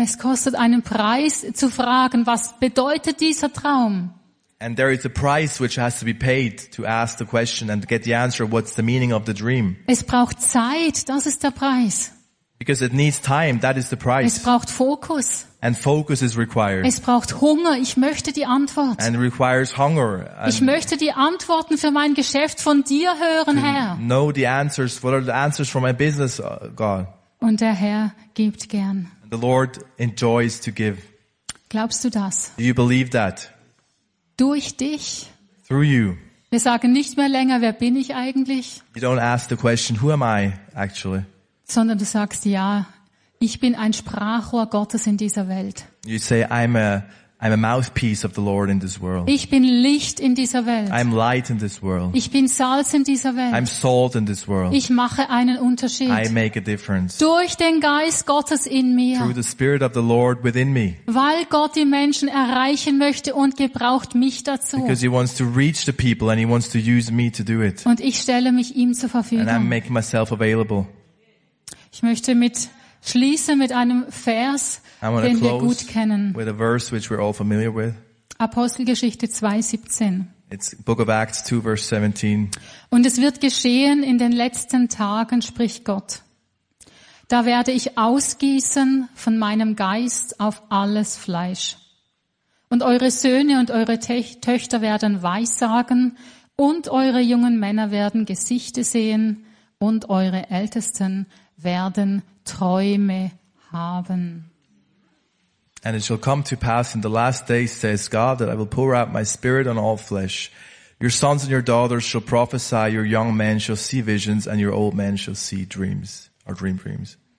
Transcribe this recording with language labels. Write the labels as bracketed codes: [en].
[de] Es kostet einen Preis, zu fragen, was bedeutet dieser Traum? [en] And there is a price which has to be paid to ask the question and get the answer, what's the meaning of the dream? [de] Es braucht Zeit, das ist der Preis. [en] Because it needs time, that is the price. [de] Es braucht Fokus. [en] And focus is required. [de] Es braucht Hunger, ich möchte die Antwort. [en] And it requires hunger. And [de] ich möchte die Antworten für mein Geschäft von dir hören, Herr. [en] Know the answers, what are the answers for my business, God? [de] Und der Herr gibt gern. [en] And the Lord enjoys to give. [de] Glaubst du das? [en] Do you believe that? [de] Durch dich. [en] Through you. [de] Wir sagen nicht mehr länger, wer bin ich eigentlich? [en] You don't ask the question, who am I actually? [de] Sondern du sagst ja. Ich bin ein Sprachrohr Gottes in dieser Welt. [en] You say I'm a mouthpiece of the Lord in this world. [de] Ich bin Licht in dieser Welt. [en] I'm light in this world. [de] Ich bin Salz in dieser Welt. [en] I'm salt in this world. [de] Ich mache einen Unterschied. [en] I make a difference. [de] Durch den Geist Gottes in mir. [en] Through the Spirit of the Lord within me. [de] Weil Gott die Menschen erreichen möchte und gebraucht mich dazu. [en] Because he wants to reach the people and he wants to use me to do it. [de] Und ich stelle mich ihm zur Verfügung. [en] And I make myself available. [de] Ich möchte mit schließe mit einem Vers, den wir gut kennen. [en] With a verse which we're all familiar with. [de] Apostelgeschichte 2:17. [en] It's Book of Acts 2, verse 17. [de] Und es wird geschehen in den letzten Tagen, spricht Gott. Da werde ich ausgießen von meinem Geist auf alles Fleisch. Und eure Söhne und eure Töchter werden weissagen und eure jungen Männer werden Gesichte sehen und eure Ältesten werden Träume haben. [en] And it shall come to pass in the last days, says God, that I will pour out my spirit on all flesh. Your sons and your daughters shall prophesy, your young men shall see visions, and your old men shall see dreams, or dream dreams.